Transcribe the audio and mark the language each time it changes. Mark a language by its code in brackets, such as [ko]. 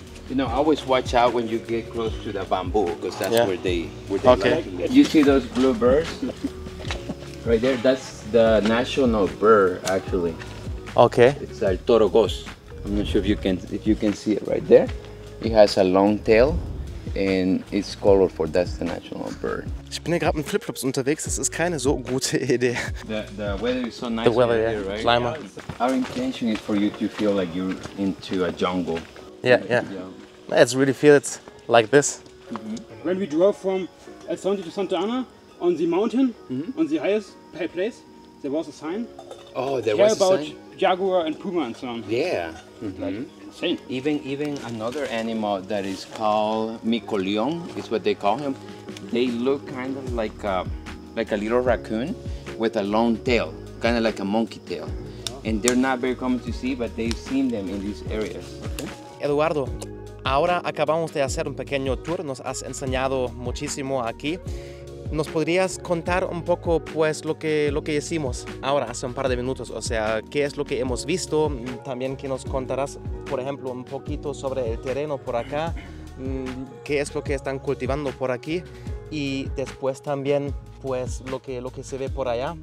[en] And always watch out when you get close to the bamboo because that's where they like it. You see those blue birds right there? That's the national bird, actually. Okay. It's el toro gos. I'm not sure if you can see it right there. It has a long tail. And it's colorful, that's the national bird. [de] Ich bin hier gerade mit Flip-Flops unterwegs, das ist keine so gute Idee. [en] The weather is so nice weather, here, right? The weather, yeah. Our intention is for you to feel like you're into a jungle. Yeah. Let's really feel it like this. Mm-hmm. When we drove from El Sonte to Santa Ana, on the mountain, on the highest place, there was a sign. Oh, there was a sign? About jaguar and puma and so on. Yeah. Mm-hmm. Same. Even another animal that is called Micolion is what they call him. They look kind of like a little raccoon with a long tail, kind of like a monkey tail. And they're not very common to see, but they've seen them in these areas. Okay. [es] Eduardo, ahora acabamos de hacer un pequeño tour. Nos has enseñado muchísimo aquí. ¿Nos podrías contar un poco pues lo que hicimos ahora hace un par de minutos? O sea, ¿qué es lo que hemos visto? También que nos contarás, por ejemplo, un poquito sobre el terreno por acá, qué es lo que están cultivando por aquí y después también pues lo que se ve por allá.